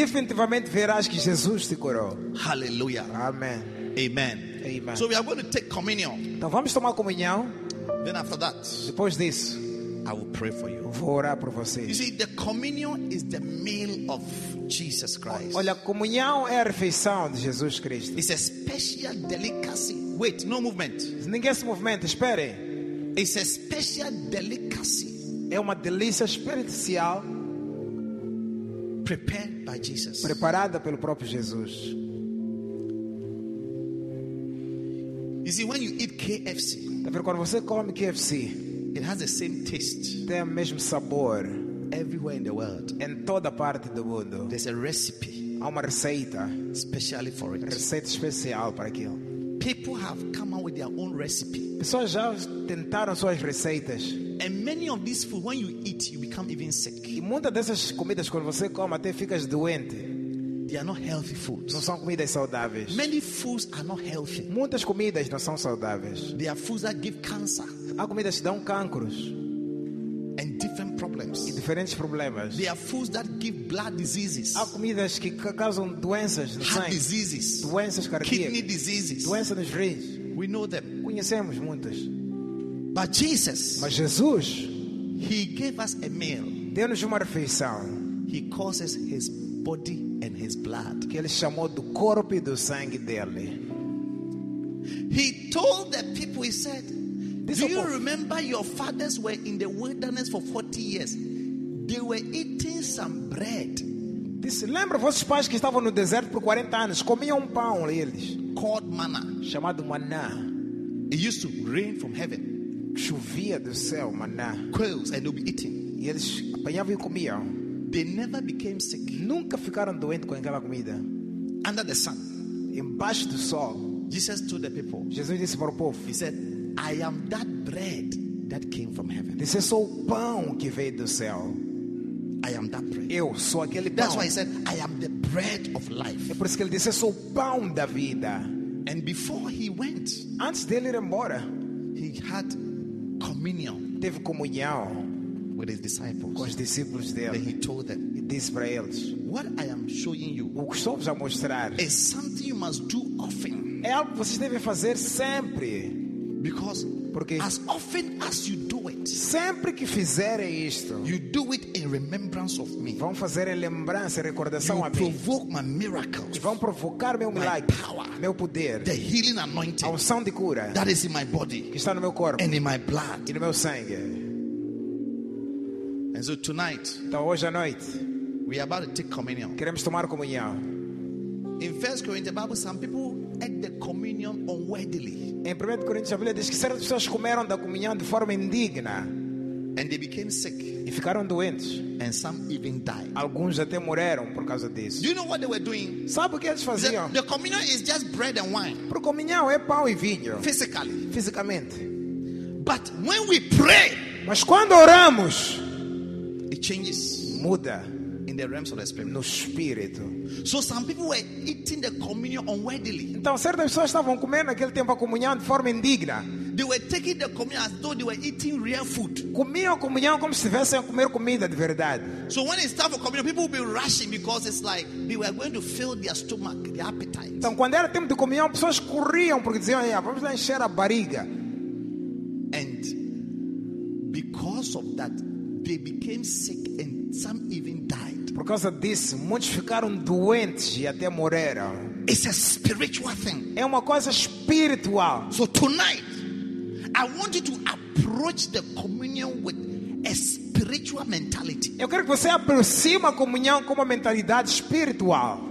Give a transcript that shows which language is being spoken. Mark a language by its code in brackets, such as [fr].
[pt] Definitivamente verás que Jesus te curou. [en] Hallelujah. Amen. Amen. Amen. So we are going to take communion. [pt] Então vamos tomar comunhão. [en] Then after that, [pt] depois disso, [en] I will pray for you. [pt] Vou orar por você. [en] You see, the communion is the meal of Jesus Christ. [pt] Olha, comunhão é a refeição de Jesus Cristo. [en] It's a special delicacy. Wait, no movement. [pt] Ninguém se movimenta, espere. [en] It's a special delicacy. [pt] É uma delícia especial. [en] Prepared by Jesus. [pt] Preparada pelo próprio Jesus. [en] You see, when you eat KFC. [pt] Quando você come KFC, [en] it has the same taste. [pt] Tem o mesmo sabor [en] everywhere in the world. [pt] Em toda parte do mundo. [en] There's a recipe. [pt] Há uma receita [en] especially for it. [pt] Receita especial para aquilo. [en] People have come up with their own recipe. [pt] Pessoas já tentaram suas receitas. [en] And many of these food, when you eat, you become even sick. [pt] E muitas dessas comidas quando você come até ficas doente. [en] They are not healthy foods. [pt] Não são comidas saudáveis. [en] Many foods are not healthy. [pt] Muitas comidas não são saudáveis. [en] They are foods that give cancer. [pt] Há comidas que dão cânceres. [en] And different problems. [pt] E diferentes problemas. [en] They are foods that give blood diseases. [pt] Há comidas que causam doenças no sangue. [en] Heart diseases. [pt] Doenças cardíacas. [en] Kidney diseases. [pt] Doenças nos rins. [en] We know them. [pt] Conhecemos muitas. [en] But Jesus. [pt] Mas Jesus. [en] He gave us a meal. [pt] Deu-nos uma refeição. [en] He causes his body and his blood. [pt] Que ele chamou do corpo e do sangue dele. [en] He told the people, he said, do you remember your fathers were in the wilderness for 40 years? They were eating some bread. [pt] Disse, lembra vossos pais que estavam no deserto por 40 anos? Comiam pão eles. [en] Called manna. [pt] Chamado maná. [en] It used to rain from heaven. [pt] Chovia do céu, maná. [en] Quails, and they'd be eating. [pt] E eles apanhavam e comiam. [en] They never became sick. [pt] Nunca ficaram doentes com aquela comida. [en] Under the sun. [pt] Embaixo do sol. [en] Jesus told the people. [pt] Jesus disse para o povo. [en] He said, I am that bread that came from heaven. [pt] Disse, eu sou o pão que veio do céu. [en] I am that bread. [pt] Eu sou aquele pão. [en] That's why he said, I am the bread of life. [pt] É por isso que ele disse, eu sou o pão da vida. [en] And before he went, [pt] antes dele ir embora, [en] he had communion. [pt] Teve comunhão. [en] With his disciples. [pt] Com os discípulos dele. [en] Then he told them. [pt] E disse para eles. [en] What I am showing you. [pt] O que estou a mostrar. [en] Is something you must do often. [pt] É algo que vocês devem fazer sempre. [en] Because. [pt] Porque. [en] As often as you do it. [pt] Sempre que fizerem isto. [en] You do it in remembrance of me. [pt] Vão fazer em lembrança, recordação a mim. [en] You provoke my miracles. [pt] E vão provocar meu milagre. [en] My power. [pt] Meu poder. [en] The healing anointing. [pt] A unção de cura. [en] That is in my body. [pt] Que está no meu corpo. [en] And in my blood. [pt] E no meu sangue. [en] And so tonight, [pt] então hoje à noite, [en] we are about to take communion. [pt] Queremos tomar comunhão. [en] In 1 Corinthians, the Bible, some people ate the communion unworthily. [pt] Em 1 Coríntios, a Bíblia diz que certas pessoas comeram da comunhão de forma indigna. [en] And they became sick. [pt] E ficaram doentes. [en] And some even died. [pt] Alguns até morreram por causa disso. [en] Do you know what they were doing? [pt] Sabe o que eles faziam? [en] The communion is just bread and wine. [pt] Pro comunhão é pão e vinho. [en] Physically. [pt] Fisicamente. [en] But when we pray, [pt] mas quando oramos, [en] it changes [pt] muda [en] in the realms of the spirit. [pt] No espírito. [en] So some people were eating the communion unworthily. [pt] Então certas pessoas estavam comendo naquele tempo a comunhão de forma indigna. [en] They were taking the communion as though they were eating real food. [pt] Comiam a comunhão como se estivessem a comer comida de verdade. [en] So when it's time for communion, people will be rushing because it's like they were going to fill their stomach, their appetite. [pt] Então, quando era tempo de comunhão, pessoas corriam porque diziam: "Ah, vamos lá encher a barriga." [en] And because of that, they became sick and some even died. [pt] Por causa disso, muitos ficaram doentes e até morreram. [en] It's a spiritual thing. [pt] É uma coisa espiritual. [en] So tonight, I want you to approach the communion with a spiritual mentality. [pt] Eu quero que você aproxime a comunhão com uma mentalidade espiritual.